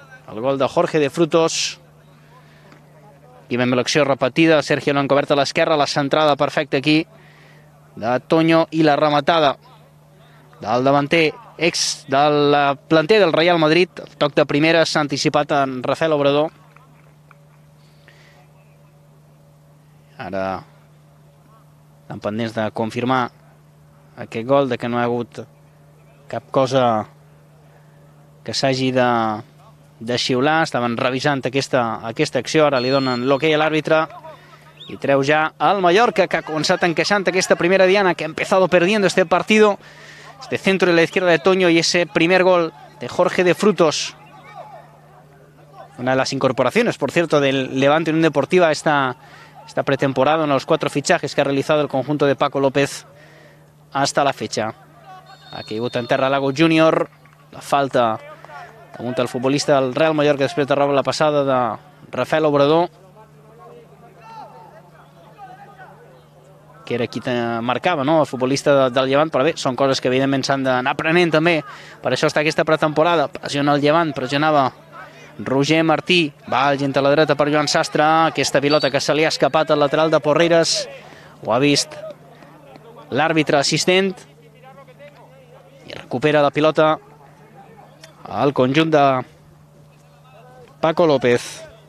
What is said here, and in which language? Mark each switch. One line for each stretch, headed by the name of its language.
Catalan: El gol de Jorge de Frutos. I ben bé l'acció repetida. Sergio l'han cobert a l'esquerra. La centrada perfecta aquí de Toño i la rematada del davanter ex del planter del Real Madrid. El toc de primera s'ha anticipat en Rafael Obrador. Ara estan pendents de confirmar aquest gol, de que no hi ha hagut cap cosa que s'hagi de xiular. Estaven revisant aquesta acció, ara li donen l'okay a l'àrbitre i treu ja el Mallorca, que ha començat encaixant aquesta primera diana,
Spanish: que ha empezado perdiendo este partido. este centro de la izquierda de Toño y ese primer gol de Jorge de Frutos. Una de las incorporaciones, por cierto, del Levante Unión Deportiva esta pretemporada, uno de los cuatro fichajes que ha realizado el conjunto de Paco López hasta la fecha. Aquí vota en tierra Lago Junior, la falta junto al futbolista del Real Mallorca después de la pasada de Rafael Obrador.
Catalan: Que era qui te marcava, no?, el futbolista del Llevant, però bé, són coses que evidentment s'han d'anar aprenent també, per això està aquesta pretemporada, pressiona el Llevant, pressionava Roger Martí, va el gent a la dreta per Joan Sastre, aquesta pilota que se li ha escapat al lateral de Porreres, ho ha vist l'àrbitre assistent, i recupera la pilota al conjunt de Paco López.